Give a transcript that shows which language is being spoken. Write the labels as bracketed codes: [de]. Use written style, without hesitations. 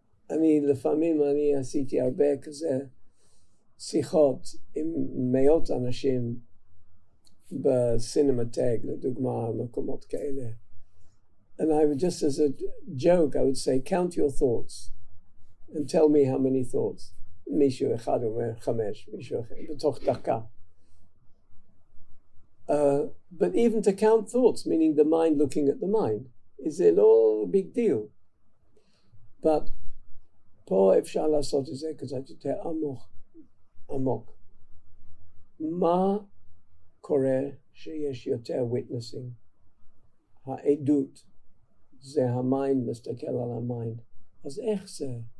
[he] אני לפעמים אני עשיתי הרבה כזה שיחות עם מאות אנשים בסינמטק, לדוגמה, מקומות כאלה. [en] And I would just as a joke, I would say, count your thoughts and tell me how many thoughts. [he] מישהו אחד אומר חמש, מישהו אחר, בתוך דקה. [en] But even to count thoughts, meaning the mind looking at the mind, is it all a big deal? [he] But פה אפשר לעשות את זה קצת יותר עמוק, עמוק. מה קורה שיש יותר witnessing? העדות זה המיינד מסתכל על המיינד. אז איך זה?